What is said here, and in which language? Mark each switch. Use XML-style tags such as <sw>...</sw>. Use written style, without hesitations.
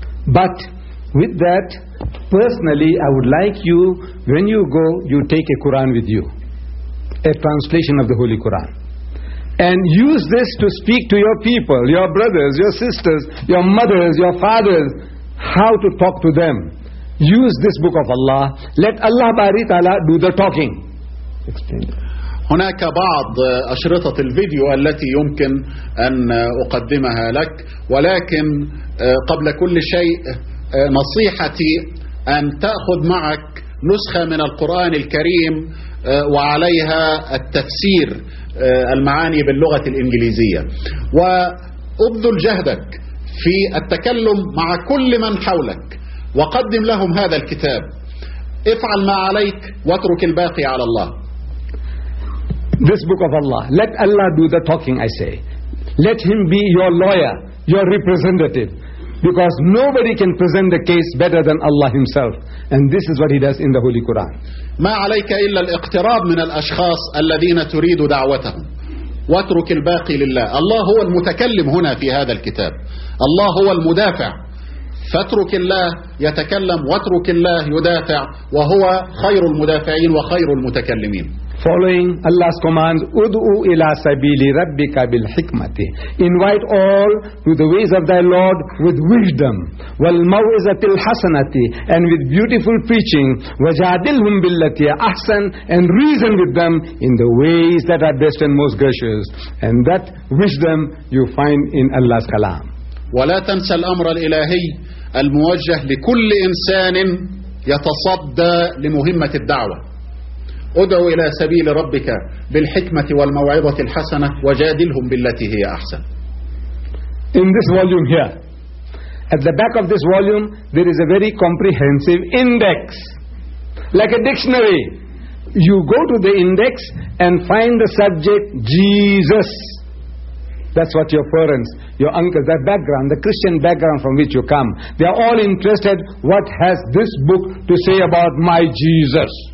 <en>But with that, personally, I would like you, when you go, you take a Quran with you, a translation of the Holy Quran, and use this to speak to your people, your brothers, your sisters, your mothers, your fathers, how to talk to them. Use this book of Allah. Let Allah Bari Ta'ala do the talking. Explain.</en> <ar>هناك بعض أشرطة الفيديو التي يمكن أن أقدمها لك، ولكن قبل كل شيء نصيحتي أن تأخذ معك نسخة من القرآن الكريم وعليها التفسير المعاني باللغة الإنجليزية، وأبذل جهدك في التكلم مع كل من حولك وقدم لهم هذا الكتاب. افعل ما عليك واترك الباقي على الله.</ar> <en>This book of Allah, let Allah do the talking, I say. Let him be your lawyer, your representative, because nobody can present the case better than Allah himself. And this is what he does in the Holy Quran.</en> <ar>ما عليك إلا الاقتراب من الأشخاص الذين تريد دعوتهم واترك الباقي لله. الله هو المتكلم هنا في هذا الكتاب، الله هو المدافع، فاترك الله يتكلم واترك الله يدافع، وهو خير المدافعين وخير المتكلمين.</ar> <en>Following Allah's command,</en> <ar>ud'u ila sabili rabbika bil hikmati.</ar> <en>Invite all to the ways of thy Lord with wisdom,</en> <ar>wal mawizatil hasanati,</ar> <en>and with beautiful preaching,</en> <ar>wajadilhum billati ahsan,</ar> <en>and reason with them in the ways that are best and most gracious. And that wisdom you find in Allah's kalam.</en> <ar>ولا تنسى الأمر الإلهي الموجه لكل إنسان يتصدى لمهمة الدعوة. ادعو إلى سبيل ربك بالحكمة والموعظة الحسنة وجادلهم بالتي هي أحسن.</ar> <en>In this volume here, at the back of this volume, there is a very comprehensive index, like a dictionary. You go to the index and find the subject Jesus. That's what your parents, your uncles, their background, the Christian background from which you come, they are all interested, what has this book to say about my Jesus?</en>